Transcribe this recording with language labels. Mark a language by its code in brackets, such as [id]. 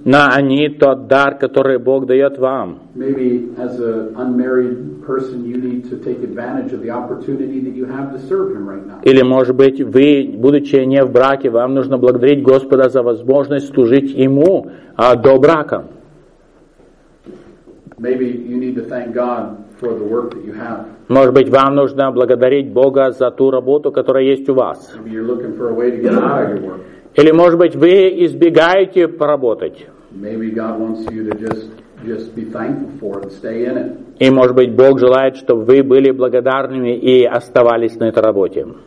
[ru] Но они тот дар, который Бог дает вам. [en] Maybe as an unmarried person, you need to take advantage of the opportunity that you have to serve Him right now. [ru] Или, может быть, вы, будучи не в браке, вам нужно благодарить Господа за возможность служить Ему до брака. [en] Maybe you need to thank God for the work that you have. [ru] Может быть, вам нужно благодарить Бога за ту работу, которая есть у вас. Или, может быть, вы избегаете поработать. И, может быть, Бог желает, чтобы вы были благодарными и оставались на этой работе.